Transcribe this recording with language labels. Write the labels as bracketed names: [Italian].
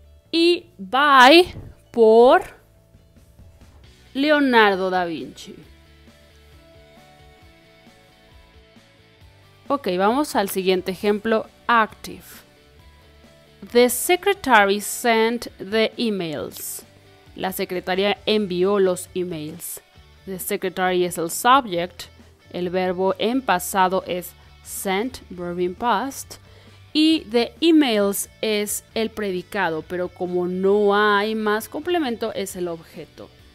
[Spanish] Y by por Leonardo da Vinci. Ok, vamos al siguiente ejemplo, active. [English] The secretary sent the emails. [Spanish] La secretaria envió los emails. [English] The secretary [Spanish] es el subject. El verbo en pasado es sent, [English] verb in past. [Spanish] Y the emails es el predicado, pero como no hay más complemento, es el objeto.